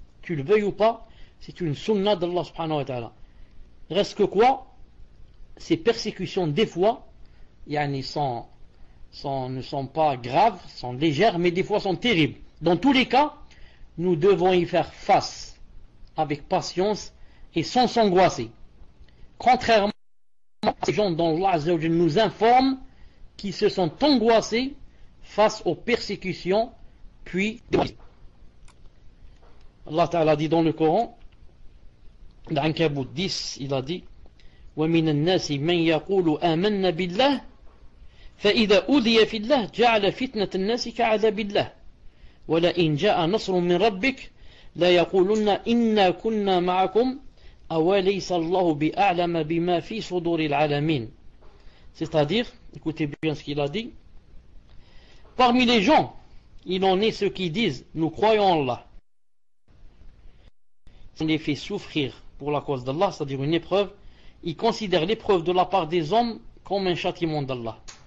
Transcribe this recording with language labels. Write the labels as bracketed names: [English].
[French] Tu le veuilles ou pas, c'est une sunna d'Allah subhanahu wa ta'ala. Reste que quoi? Ces persécutions, des fois, yani, ne sont pas graves, sont légères, mais des fois sont terribles. Dans tous les cas, nous devons y faire face avec patience et sans s'angoisser. Contrairement à ces gens dont Allah azzawajal nous informe, qui se sont angoissés face aux persécutions, puis Allah Ta'ala a dit dans le Coran, dans l'Ankabout 10, il a dit, [Arabic] وَمِنَ النَّاسِ مَنْ يَقُولُ آمَنَّ بِاللَّهِ فَإِذَا أُذِيَ فِي اللَّهِ جَعَلَ فِتْنَةَ النَّاسِ كَعَذَابِ اللَّهِ وَلَئِنْ جَاءَ نَصْرٌ مِنْ رَبِّكَ لَيَقُولُنَّ إِنَّا كُنَّا مَعَكُمْ أَوَلَيْسَ اللَّهُ بِأَعْلَمَ بِمَا فِي صُدُورِ الْعَالَمِينَ. [French] C'est-à-dire, écoutez bien ce qu'il a dit. Parmi les gens, il en est ceux qui disent, nous croyons en Allah. Ça les fait souffrir pour la cause d'Allah, c'est-à-dire une épreuve. Ils considèrent l'épreuve de la part des hommes comme un châtiment d'Allah.